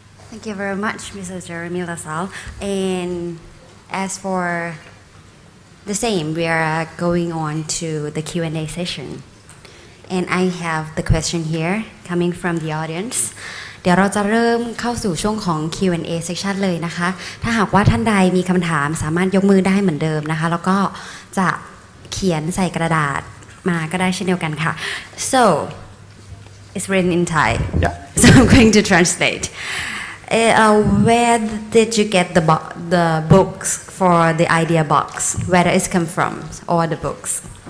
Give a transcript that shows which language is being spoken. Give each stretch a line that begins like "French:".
English: Thank you very much, Mrs. Jeremy LaSalle. And as for the same, we are going on to the Q&A session. And I have the question here coming from the audience.
Thai: เดี๋ยวเราจะเริ่มเข้าสู่ช่วงของ Q&A section เลยนะคะถ้าหากว่าท่านใดมีคำถามสามารถยกมือได้เหมือนเดิมนะคะแล้วก็จะเขียนใส่กระดาษมาก็ได้เช่นเดียวกันค่ะ
English: So it's written in Thai yeah. So I'm going to translate where did you get the books for the idea box where it's come from or the books